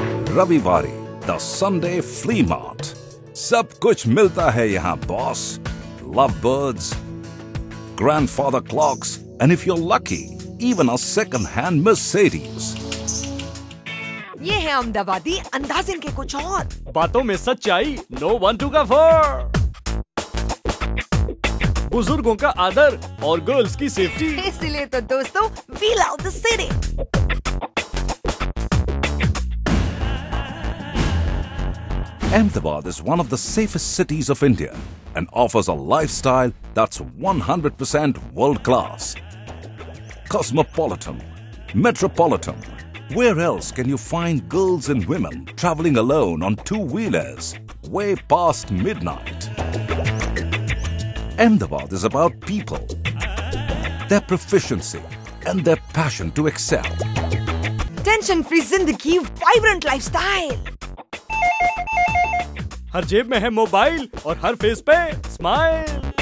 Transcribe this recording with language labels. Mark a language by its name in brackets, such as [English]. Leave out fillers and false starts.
[English] Ravivari, the Sunday flea mart. [Hindi] Sab kuch milta hai yahan, boss. [English] Lovebirds, grandfather clocks, and if you're lucky, even a second-hand Mercedes. [Hindi] ये है अहमदाबादी अंदाज़ इनके कुछ और बातों में सच्चाई नो वन टू का फोर बुजुर्गों का आदर और गर्ल्स की सेफ्टी इसलिए तो दोस्तों [English] We love the city Ahmedabad is one of the safest cities of India and offers a lifestyle that's 100% world class cosmopolitan metropolitan Where else can you find girls and women traveling alone on two-wheelers way past midnight? Ahmedabad is about people, their proficiency and their passion to excel. Tension-free zindagi, vibrant lifestyle. [Hindi] Har jeb mein hai mobile aur har face pe smile.